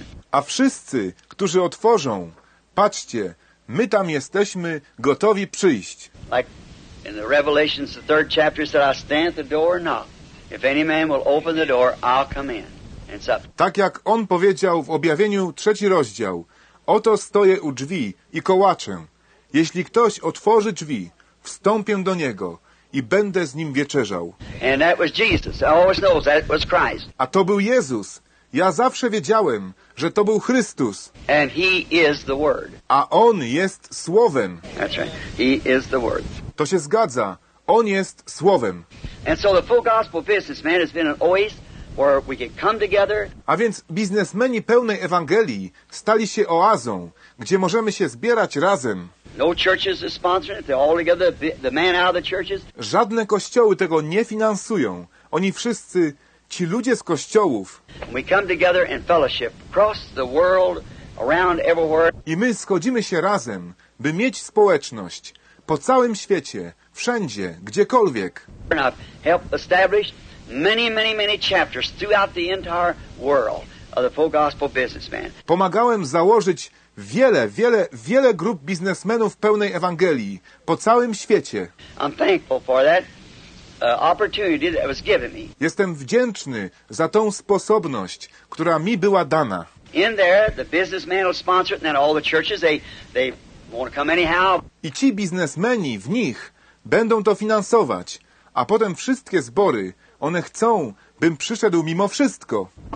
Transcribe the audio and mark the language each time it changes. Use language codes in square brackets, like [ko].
[pl] A wszyscy, którzy otworzą, patrzcie, my tam jesteśmy gotowi przyjść. [en] Like in the Revelations, the third chapter said, I stand at the door and knock. If any man will open the door, I'll come in. [pl] Tak jak on powiedział w objawieniu trzeci rozdział, oto stoję u drzwi i kołaczę. Jeśli ktoś otworzy drzwi, wstąpię do niego i będę z nim wieczerzał. [en] And that was Jesus. I always know that was Christ. [pl] A to był Jezus. Ja zawsze wiedziałem, że to był Chrystus. [en] And he is the word. [pl] A on jest Słowem. [en] That's right. He is the word. [pl] To się zgadza. On jest Słowem. [en] And so the full gospel businessman has been an oasis. Where we can come together. [pl] A więc biznesmeni pełnej Ewangelii stali się oazą, gdzie możemy się zbierać razem. [en] No churches are sponsoring it. They're all together, the man out of the churches. [pl] Żadne kościoły tego nie finansują. Oni wszyscy, ci ludzie z kościołów. [en] We come together in fellowship across the world, around everywhere. [pl] I my schodzimy się razem, by mieć społeczność po całym świecie, wszędzie, gdziekolwiek. [en] Help establish many, many, many chapters throughout the entire world of the full gospel businessman. [pl] Pomagałem założyć wiele, wiele, wiele grup biznesmenów pełnej Ewangelii po całym świecie. [en] I'm thankful for that opportunity that was given me. [pl] Jestem wdzięczny za tą sposobność, która mi była dana. [en] In there, the businessman will sponsor it, and then all the churches they want to come anyhow. [pl] I ci biznesmeni w nich będą to finansować, a potem wszystkie zbory. One chcą, bym przyszedł mimo wszystko.